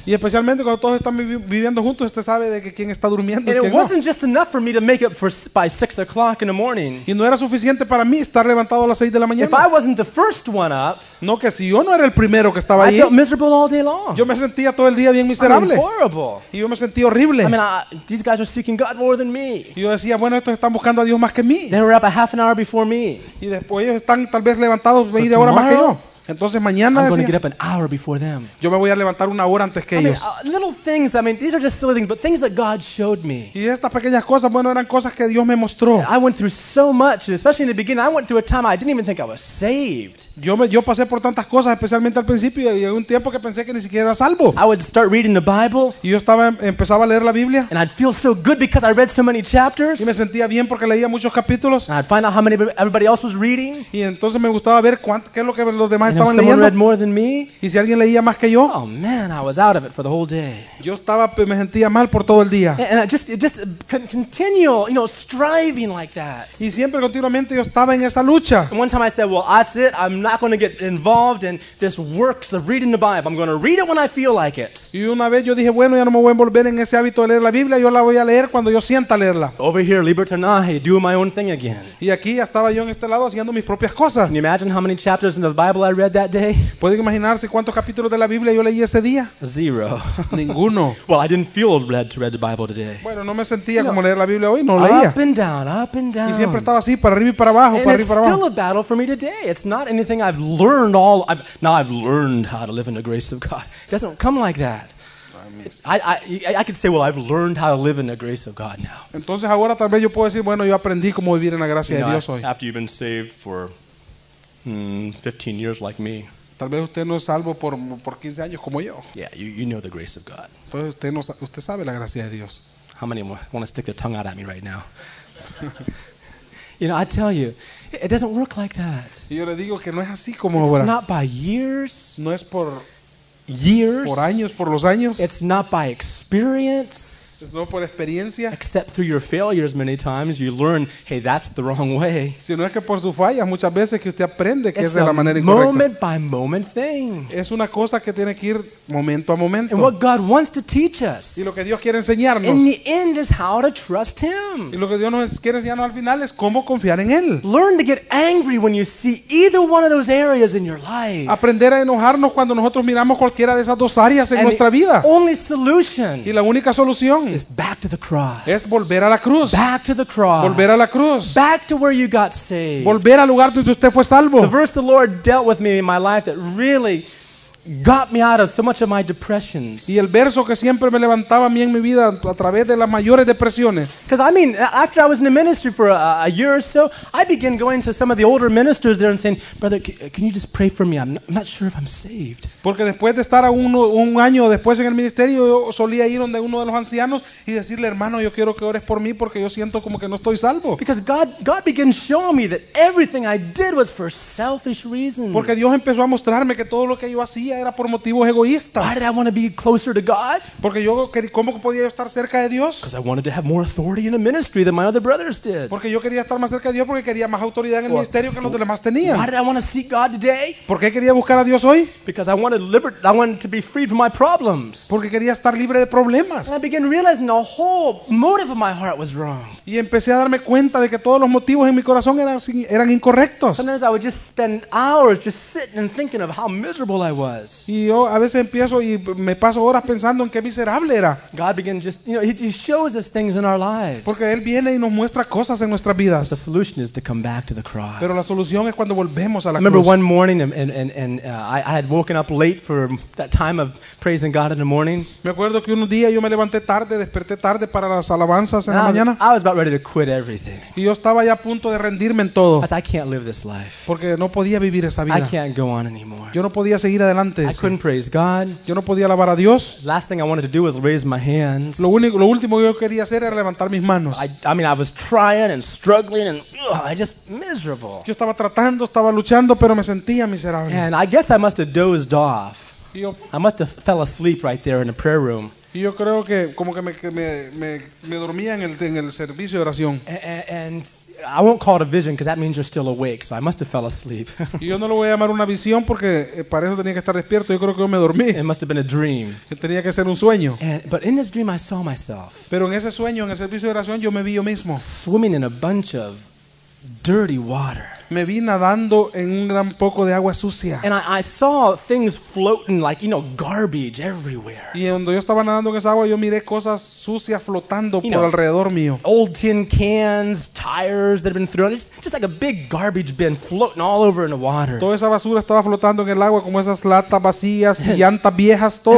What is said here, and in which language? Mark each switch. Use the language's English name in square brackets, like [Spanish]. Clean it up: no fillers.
[Spanish] Y especialmente cuando todos están viviendo juntos, usted sabe. De que quién está durmiendo, [English] and it [Spanish] quién [English] wasn't [Spanish] no. [English] Just enough for me to make it for by 6:00 in the morning. [Spanish] Y no era suficiente para mí estar levantado a las 6:00 a.m. [English] If I wasn't the first one up, [Spanish] no que si yo no era el primero que estaba [English] I [Spanish] ahí. [English] I felt miserable all day long. [Spanish] Yo me sentía todo el día bien miserable. [English] I mean, horrible. [Spanish] Y yo me sentía horrible. [English] I mean, these guys are seeking God more than me. [Spanish] Y yo decía, bueno, estos están buscando a Dios más que mí. [English] They were up a half an hour before me. [Spanish] Y después ellos están tal vez levantados media [English] so [Spanish] hora más que yo. Entonces mañana [English] I'm going to get up an hour before them. [Spanish] Yo me voy a levantar una hora antes que ellos. [English] Little things, I mean, these are just silly things, but things that God showed me. [Spanish] Y estas pequeñas cosas, bueno, eran cosas que Dios me mostró. [English] I went through so much, especially in the beginning. I went through a time I didn't even think I was saved. [Spanish] Yo pasé por tantas cosas, especialmente al principio, y un tiempo que pensé que ni siquiera era salvo. [English] I would start reading the Bible. [Spanish] Y yo empezaba a leer la Biblia. [English] And I'd feel so good because I read so many chapters. [Spanish] Y me sentía bien porque leía muchos capítulos. [English] And I'd find out how many everybody else was reading. [Spanish] Y entonces me gustaba ver qué es lo que los demás. [English] And if someone [Spanish] leyendo, [English] read more than me, [Spanish] y si alguien leía más que yo, [English] oh man, I was out of it for the whole day. [Spanish] Yo estaba, me sentía mal por todo el día. [English] And I just continual, you know, striving like that. [Spanish] Y siempre continuamente yo estaba en esa lucha. [English] And one time I said, well, that's it. I'm not going to get involved in this works of reading the Bible. I'm going to read it when I feel like it. [Spanish] Y una vez yo dije, bueno, ya no me voy a envolver en ese hábito de leer la Biblia. Yo la voy a leer cuando yo sienta leerla. [English] Over here, libertinaje, doing my own thing again. [Spanish] Y aquí ya estaba yo en este lado haciendo mis propias cosas. [English] Can you imagine how many chapters in the Bible I read that day? [Spanish] ¿Pueden imaginarse cuántos capítulos de la Biblia yo leí ese día? [English] Zero. [Spanish] Ninguno. [English] Well, I didn't feel led to read the Bible today. [Spanish] Bueno, no me sentía como leer la Biblia hoy, no leía. [English] Up and down, up and down. [Spanish] Y siempre estaba así, para arriba y para abajo, para arriba y para abajo. [English] And it's still a battle for me today. It's not anything I've learned all. Now I've learned how to live in the grace of God. It doesn't come like that. I could say, well, I've learned how to live in the grace of God now. [Spanish] Entonces ahora tal vez yo puedo decir, bueno, yo aprendí cómo vivir en la gracia de Dios hoy. [English] After you've been saved for 15 years like me. [Spanish] Tal vez usted no es salvo por 15 años como yo. [English] Yeah, you know the grace of God. [Spanish] Entonces usted sabe la gracia de Dios. [English] How many want to stick their tongue out at me right now? You know, I tell you, it doesn't work like that. [Spanish] Y yo le digo que no es así como [English] it's [Spanish] ahora. [English] Not by years. [Spanish] No es por [English] years. [Spanish] Por años, por los años. [English] It's not by experience. [Spanish] Es no por experiencia. [English] Except through your failures, many times you learn, hey, that's the wrong way. [Spanish] Sino es que por sus fallas muchas veces que usted aprende que [English] it's [Spanish] es de la manera incorrecta. [English] Moment by moment thing. [Spanish] Es una cosa que tiene que ir momento a momento. [English] And what God wants to teach us. [Spanish] Y lo que Dios quiere enseñarnos. [English] In the end is how to trust Him. [Spanish] Y lo que Dios nos quiere enseñarnos al final es cómo confiar en Él. [English] Learn to get angry when you see either one of those areas in your life. [Spanish] Aprender a enojarnos cuando nosotros miramos cualquiera de esas dos áreas en nuestra vida. [English] Only solution. [Spanish] Y la única solución. [English] Is back to the cross. [Spanish] Es volver a la cruz. [English] Back to the cross. [Spanish] Volver a la cruz. [English] Back to where you got saved. [Spanish] Volver al lugar donde usted fue salvo. [English] The verse the Lord dealt with me in my life that really got me out of so much of my depressions. [Spanish] Y el verso que siempre me levantaba a mí en mi vida a través de las mayores depresiones. [English] Because I mean, after I was in the ministry for a year or so, I began going to some of the older ministers there and saying, "Brother, can you just pray for me? I'm not sure if I'm saved." [Spanish] Porque después de estar un año después en el ministerio, yo solía ir donde uno de los ancianos y decirle, "Hermano, yo quiero que ores por mí porque yo siento como que no estoy salvo." [English] Because God began showing me that everything I did was for selfish reasons. [Spanish] Porque Dios empezó a mostrarme que todo lo que yo hacía era por motivos egoístas. [English] Why did I want to be closer to God? [Spanish] Porque yo quería, ¿cómo podía yo estar cerca de Dios? [English] Because I wanted to have more authority in the ministry than my other brothers did. [Spanish] Porque yo quería estar más cerca de Dios porque quería más autoridad en el ministerio que los demás tenían. [English] Why did I want to seek God today? [Spanish] Porque quería buscar a Dios hoy. [English] Because I wanted to be free from my problems. [Spanish] Porque quería estar libre de problemas. [English] And I began realizing the whole motive of my heart was wrong. [Spanish] Y empecé a darme cuenta de que todos los motivos en mi corazón eran incorrectos. [English] Sometimes I would just spend hours just sitting and thinking of how miserable I was. [Spanish] Y yo a veces empiezo y me paso horas pensando en qué miserable era. [English] God began just, you know, he shows us things in our lives. [Spanish] Porque él viene y nos muestra cosas en nuestras vidas. [English] But the solution is to come back to the cross. [Spanish] Pero la solución es cuando volvemos a la cruz. [English] I remember one morning and I had woken up late for that time of praising God in the morning. [Spanish] Me acuerdo que un día yo me levanté tarde, desperté tarde para las alabanzas en la mañana. [English] I was about ready to quit everything. [Spanish] Y yo estaba ya a punto de rendirme en todo. [English] I can't live this life. [Spanish] Porque no podía vivir esa vida. [English] I can't go on anymore. [Spanish] Yo no podía seguir adelante. [English] I couldn't praise God. [Spanish] Yo no podía alabar a Dios. [English] Last thing I wanted to do was raise my hands. [Spanish] Lo último que yo quería hacer era levantar mis manos. [English] I mean, I was trying and struggling and I just miserable. [Spanish] Yo estaba tratando, estaba luchando, pero me sentía miserable. [English] And I guess I must have dozed off. I must have fell asleep right there in the prayer room. [Spanish] Y yo creo que como que me dormía en el servicio de oración. [English] And I won't call it a vision because that means you're still awake. So I must have fell asleep. [Spanish] Yo no lo voy a llamar una visión porque para eso tenía que estar despierto. Yo creo que yo me dormí. [English] It must have been a dream. [Spanish] Tenía que ser un sueño. [English] But in this dream I saw myself. [Spanish] Pero en ese sueño, en el servicio de oración, yo me vi yo mismo. [English] Swimming in a bunch of dirty water. [Spanish] Me vi nadando en un gran poco de agua sucia. [English] And I saw things floating like, you know, garbage everywhere. [Spanish] Y cuando yo estaba nadando en esa agua, yo miré cosas sucias flotando [English] you [Spanish] por [English] know, [Spanish] alrededor mío. [English] Old tin cans, tires that had been thrown. It's just like a big garbage bin floating all over in the water. [Spanish] Toda esa basura estaba flotando en el agua, como esas latas vacías, llantas viejas, todo